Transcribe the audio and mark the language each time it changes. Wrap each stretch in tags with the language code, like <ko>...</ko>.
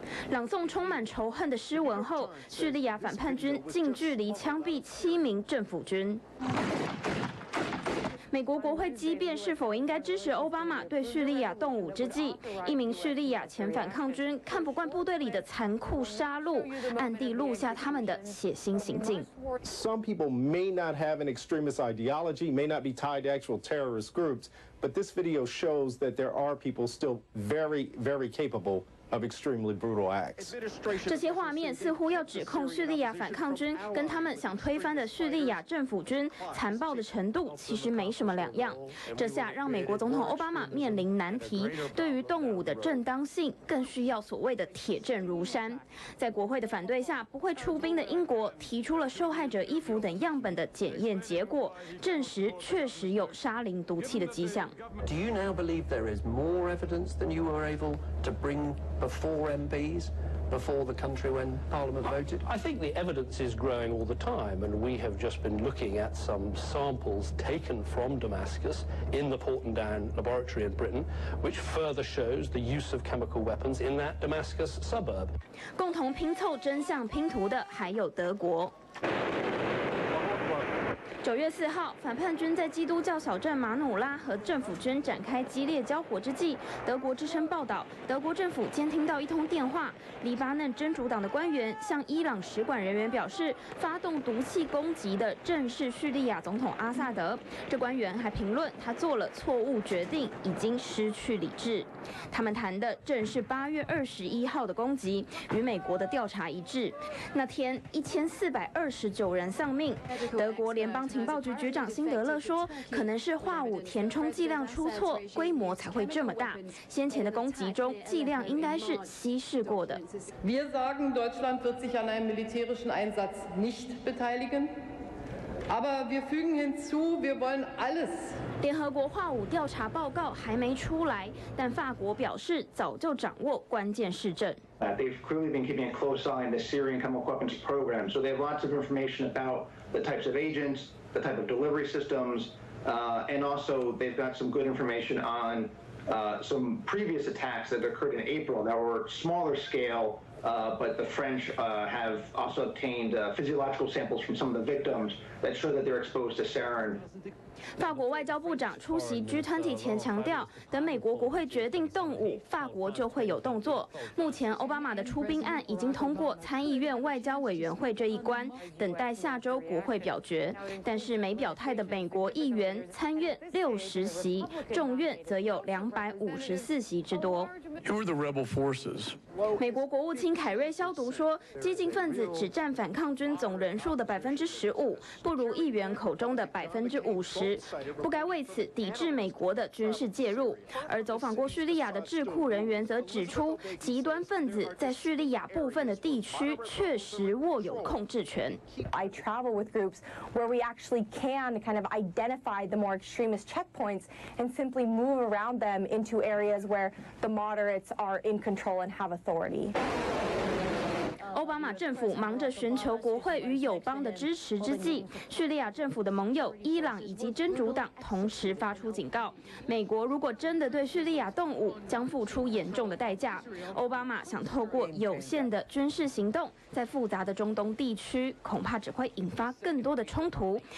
<zh>朗诵充满仇恨的诗文后，叙利亚反叛军近距离枪毙七名政府军。美国国会激辩是否应该支持奥巴马对叙利亚动武之际，一名叙利亚前反抗军看不惯部队里的残酷杀戮，暗地录下他们的血腥行径。</zh> <en>Some people may not have an extremist ideology, may not be tied to actual terrorist groups, but this video shows that there are people still very, very capable. Of extremely brutal acts.</en> <zh>这些画面似乎要指控叙利亚反抗军跟他们想推翻的叙利亚政府军残暴的程度其实没什么两样，这下让美国总统奥巴马面临难题，对于动武的正当性更需要所谓的铁证如山。在国会的反对下不会出兵的英国提出了受害者衣服等样本的检验结果，证实确实有沙林毒气的迹象。</zh> <en>Do you now believe there is more evidence than you were able to bringBefore MPs, before the country when Parliament voted? I think the evidence is growing all the time, and we have just been looking at some samples taken from Damascus in the Portendown laboratory in Britain, which further shows the use of chemical weapons in that Damascus suburb.</en> <zh>共同拼凑真相拼图的还有德国。 9月4号，反叛军在基督教小镇马努拉和政府军展开激烈交火之际，德国之声报道，德国政府监听到一通电话，黎巴嫩真主党的官员向伊朗使馆人员表示，发动毒气攻击的正是叙利亚总统阿萨德。这官员还评论他做了错误决定，已经失去理智。他们谈的正是8月21号的攻击，与美国的调查一致。那天1429人丧命。德国联邦情报局局长辛德勒说，可能是化武填充剂量出错，规模才会这么大。先前的攻击中，剂量应该是稀释过的。</zh> <de>Wir sagen, Deutschland wird sich an einem militärischen Einsatz nicht beteiligen. Aber wir fügen hinzu, wir wollen alles.</de> <zh>联合国化武调查报告还没出来，但法国表示早就掌握关键市政。</zh> <en>They've clearly been keeping a close eye on the Syrian chemical weapons program, so they have lots of information about the types of agents, the type of delivery systems, and also they've got some good information on some previous attacks that occurred in April that were smaller scale, But the French have also obtained physiological samples from some of the victims that show that they're exposed to sarin.</en> <zh>法国外交部长出席 G20 前强调，等美国国会决定动武，法国就会有动作。目前奥巴马的出兵案已经通过参议院外交委员会这一关，等待下周国会表决。但是没表态的美国议员，参院60席，众院则有254席之多。</zh> <en>Who are the rebel forces?</en> <zh>美国国务卿凯瑞消毒说，激进分子只占反抗军总人数的15%，不如议员口中的50%，不该为此抵制美国的军事介入。而走访过叙利亚的智库人员则指出，极端分子在叙利亚部分的地区确实握有控制权。</zh> <en>I travel with groups where we actually can kind of identify the more extremist checkpoints and simply move around them into areas where the moderates are in control and have authority.</en> <zh>奥巴马政府忙着寻求国会与友邦的支持之际，叙利亚政府的盟友伊朗以及真主党同时发出警告，美国如果真的对叙利亚动武，将付出严重的代价。奥巴马想透过有限的军事行动，在复杂的中东地区，恐怕只会引发更多的冲突。</zh>